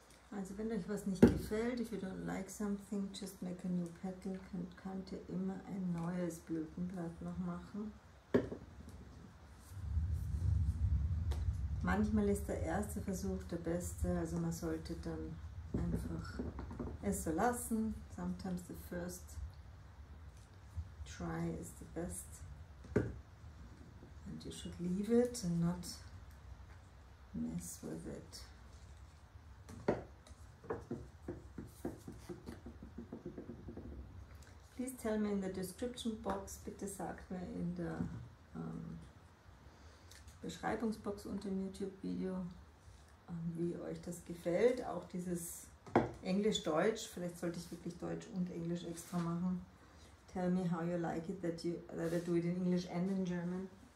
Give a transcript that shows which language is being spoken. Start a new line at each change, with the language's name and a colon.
German: Also wenn euch was nicht gefällt,
English: if you don't like something, just make a new petal,
German: könnt ihr immer ein neues Blütenblatt noch machen. Manchmal ist der erste Versuch der beste, also man sollte dann einfach es so lassen.
English: Sometimes the first try is the best. And you should leave it and not mess with it. Please tell me in the description box,
German: bitte sagt mir in der Beschreibungsbox unter dem YouTube-Video, wie euch das gefällt. Auch dieses Englisch-Deutsch, vielleicht sollte ich wirklich Deutsch und Englisch extra machen.
English: Tell me how you like it, that I do it in English and in German.